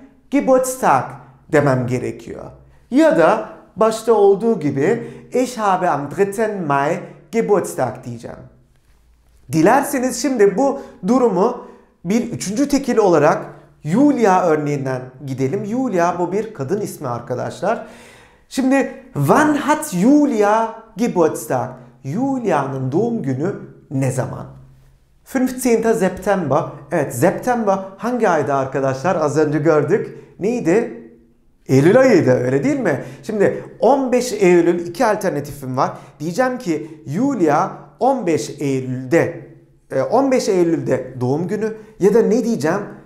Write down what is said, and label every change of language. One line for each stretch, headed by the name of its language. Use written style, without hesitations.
Turkish: Geburtstag demem gerekiyor. Ya da başta olduğu gibi
German: ich habe am 3. Mai Geburtstag
Turkish: diyeceğim. Dilerseniz şimdi bu durumu bir üçüncü tekil olarak Julia örneğinden gidelim. Julia bu bir kadın ismi arkadaşlar. Şimdi
German: wann hat Julia Geburtstag?
Turkish: Julia'nın doğum günü ne zaman?
German: 15. September.
Turkish: Evet, September hangi ayda arkadaşlar? Az önce gördük. Neydi? Eylül ayıydı, öyle değil mi? Şimdi 15 Eylül iki alternatifim var. Diyeceğim ki Julia 15 Eylül'de doğum günü, ya da ne diyeceğim?